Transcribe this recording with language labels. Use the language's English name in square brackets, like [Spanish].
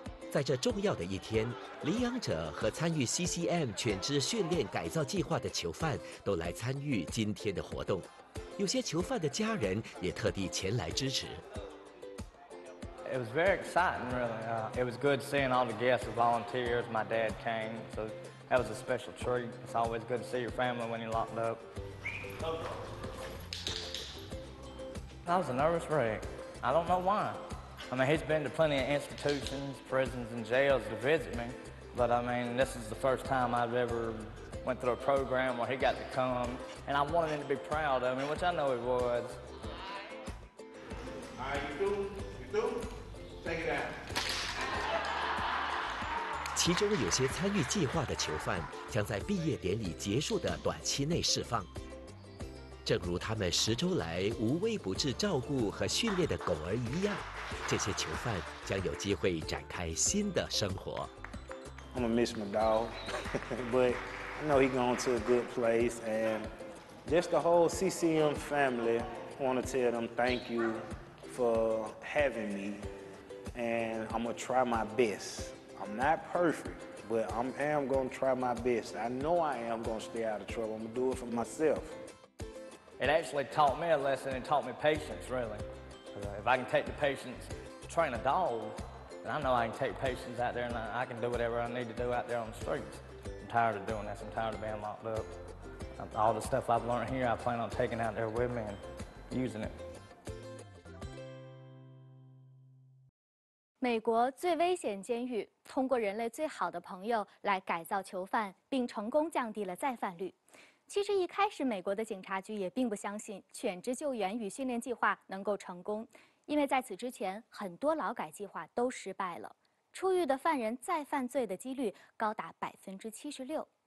[Chinese] 在这重要的一天，领养者和参与 CCM 犬只训练改造计划的囚犯都来参与今天的活动，有些囚犯的家人也特地前来支持。 [English] It was very exciting, really. It was good seeing all the guests, the volunteers. My dad came, so that was a special treat. It's always good to see your family when you're locked up. I was a nervous wreck. I don't know why. I mean, he's been to plenty of institutions, prisons, and jails to visit me. But I mean, this is the first time I've ever went through a program where he got to come. And I wanted him to be proud of me, which I know he was. How you doing? You doing? Take it out. [Chinese] 其中有些参与计划的囚犯将在毕业典礼结束的短期内释放。正如他们十周来无微不至照顾和训练的狗儿一样，这些囚犯将有机会展开新的生活。 [English] I'm gonna miss my dog, but I know he's going to a good place, and just the whole CCM family, I want to tell them thank you for having me, and I'm gonna try my best. I'm not perfect, but I'm gonna try my best. I know I am gonna stay out of trouble. I'm gonna do it for myself. It actually taught me a lesson and taught me patience, really. If I can take the patience to train a dog, then I know I can take patience out there and I can do whatever I need to do out there on the streets. I'm tired of doing this. I'm tired of being locked up. All the stuff I've learned here, I plan on taking out there with me and using it. [Chinese] 美国最危险监狱通过人类最好的朋友来改造囚犯，并成功降低了再犯率。其实一开始美国的警察局也并不相信犬只救援与训练计划能够成功，因为在此之前很多劳改计划都失败了，出狱的犯人再犯罪的几率高达76%。